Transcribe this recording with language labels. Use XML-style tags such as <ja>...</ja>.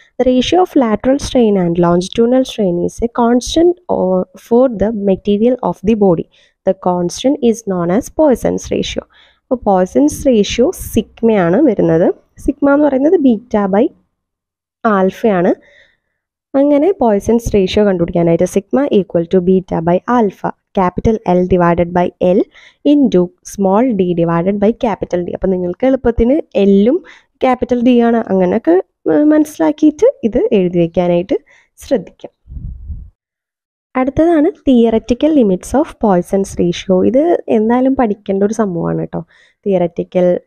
<en>The ratio of lateral strain and longitudinal strain is a constant for the material of the body. The constant is known as Poisson's ratio.</en> <ml>അപ്പോൾ poisons ratio സിഗ്മയാണ് വരുന്നത്. Sigma എന്ന് പറയുന്നത് beta by ആൽഫയാണ്. അങ്ങനെ poisons ratio കണ്ടുപിടിക്കാനായിട്ട് sigma equal to beta by alpha.</ml> <en>capital L divided by L into small d divided by capital D.</en> <ml>അപ്പോൾ നിങ്ങൾക്ക് എളുപ്പത്തിൽ L ഉം capital D ആണ് അങ്ങനെയൊക്കെ മനസ്സിലാക്കിയിട്ട് ഇത് എഴുതി വെക്കാനായിട്ട് ശ്രദ്ധിക്കാം. അടുത്തതാണ് theoretical limits of poisons ratio. ഇത് എന്തായാലും പഠിക്കേണ്ട ഒരു സംഭവമാണ് കേട്ടോ, തിയററ്റിക്കൽ.</ml>